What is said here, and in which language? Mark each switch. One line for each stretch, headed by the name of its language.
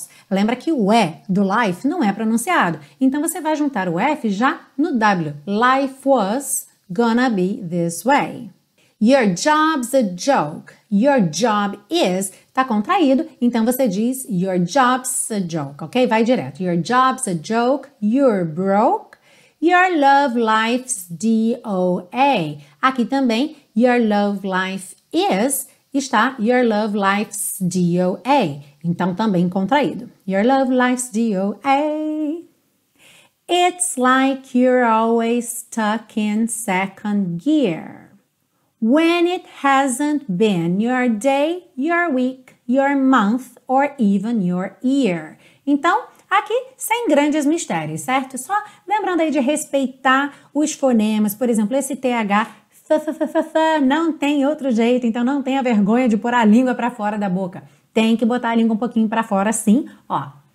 Portuguese: Lembra que o E do life não é pronunciado. Então, você vai juntar o F já no W.
English: Life was gonna be this way. Your job's a joke. Your job is,
Portuguese: tá contraído, então você diz
English: your job's a joke, ok?
Portuguese: Vai direto.
English: Your job's a joke. You're broke. Your love life's D-O-A.
Portuguese: Aqui também,
English: your love life is, está your love life's D-O-A.
Portuguese: Então, também contraído.
English: Your love life's D-O-A. It's like you're always stuck in second gear. When it hasn't been your day, your week, your month, or even your year.
Portuguese: Então, aqui, sem grandes mistérios, certo? Só lembrando aí de respeitar os fonemas. Por exemplo, esse TH, não tem outro jeito. Então, não tenha vergonha de pôr a língua para fora da boca. Tem que botar a língua um pouquinho para fora, assim, ó.